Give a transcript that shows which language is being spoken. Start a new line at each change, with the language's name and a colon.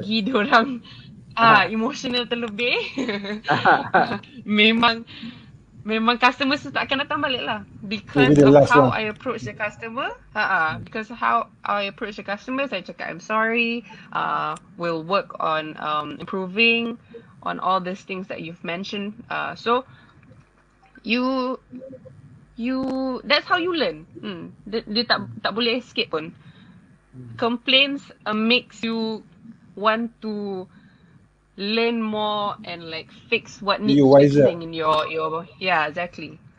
Malay: bagi diorang emotional terlebih, memang customer tu tak akan datang balik lah,
English: because how I approach the customer.
Malay: Saya cakap
English: I'm sorry, we'll work on improving on all these things that you've mentioned. So you that's how you learn.
Malay: Dia tak boleh escape pun.
English: Complaints makes you want to learn more and like fix what needs fixing in your yeah, exactly.